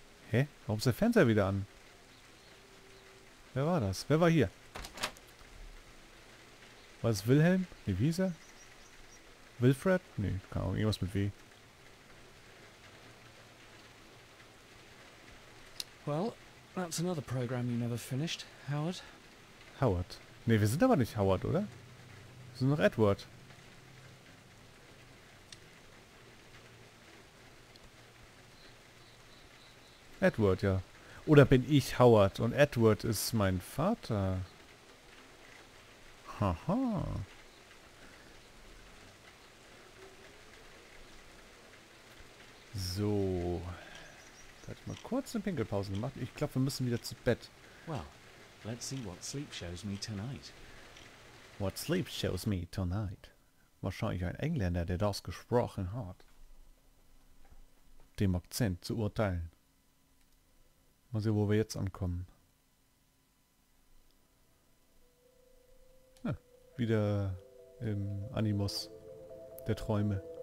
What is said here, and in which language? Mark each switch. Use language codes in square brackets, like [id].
[de] Hä? Warum ist der Fernseher wieder an? Wer war das? Wer war hier? War es Wilhelm? Nee, wie hieß er? Wilfred? Nee, keine Ahnung, irgendwas mit W. [en] Well, that's another program you never finished, Howard. Howard? [de] Nee, wir sind aber nicht Howard, oder? Wir sind noch Edward. Edward, ja. Oder bin ich Howard und Edward ist mein Vater? Haha. So. Da hatte ich mal kurz eine Pinkelpause gemacht. Ich glaube, wir müssen wieder zu Bett. [en] Well, let's see what sleep shows me tonight. What sleep shows me tonight? [de] Wahrscheinlich ein Engländer, der das gesprochen hat. Dem Akzent zu urteilen. Mal sehen, wo wir jetzt ankommen. Ja, wieder im Animus der Träume.